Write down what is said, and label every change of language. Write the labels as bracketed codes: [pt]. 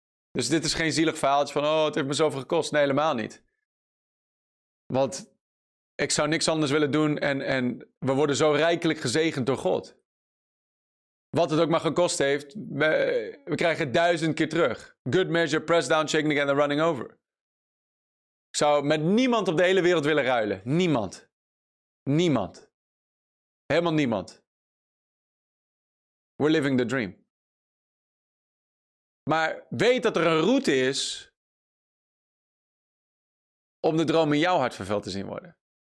[nl] Dus dit is geen zielig verhaaltje van, oh, het heeft me zoveel gekost. Nee, helemaal niet. Want ik zou niks anders willen doen en we worden zo rijkelijk gezegend door God. Wat het ook maar gekost heeft, we krijgen het 1000 keer terug. [en] Good measure, press down, shaking again and running over. [nl] Ik zou met niemand op de hele wereld willen ruilen. Niemand. Niemand. Helemaal niemand. [en] We're living the dream. [nl] Maar weet dat er een route is om de droom in jouw hart vervuld te zien worden.